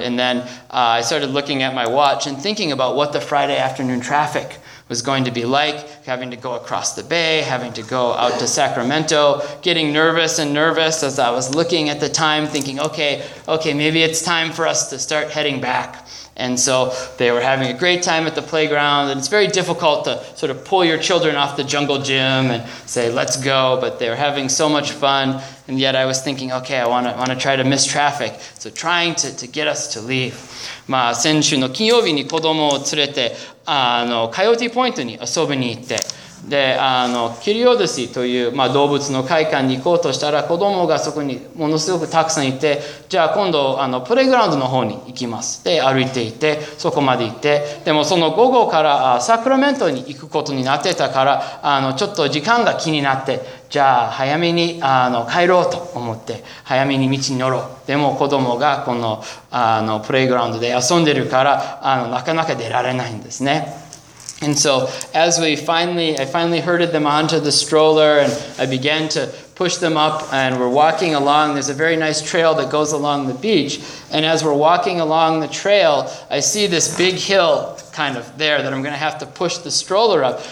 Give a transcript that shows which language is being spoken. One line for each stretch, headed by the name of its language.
English: And then I started looking at my watch and thinking about what the Friday afternoon traffic was going to be like, having to go across the bay, having to go out to Sacramento, getting nervous and nervous as I was looking at the time, thinking, okay, maybe it's time for us to start heading back. And so they were having a great time at the playground, and it's very difficult to sort of pull your children off the jungle gym and say, let's go, but they were having so much fun, and yet I was thinking, okay, I want to try to miss traffic, so trying to get us to leave.
Japanese: まあ先週の金曜日に子供を連れてカヨーティポイントに遊びに行って、でキリオデシという、まあ、動物の会館に行こうとしたら、子供がそこにものすごくたくさんいて、じゃあ今度プレイグラウンドの方に行きますで歩いていて、そこまで行って、でもその午後からサクラメントに行くことになってたから、ちょっと時間が気になって、じゃあ早めに帰ろうと思って、早めに道に乗ろう、でも子供がこのプレイグラウンドで遊んでるから、なかなか出られないんですね。
English: And so as I finally herded them onto the stroller, and I began to push them up, and we're walking along. There's a very nice trail that goes along the beach. And as we're walking along the trail, I see this big hill kind of there that I'm going to have to push the stroller up.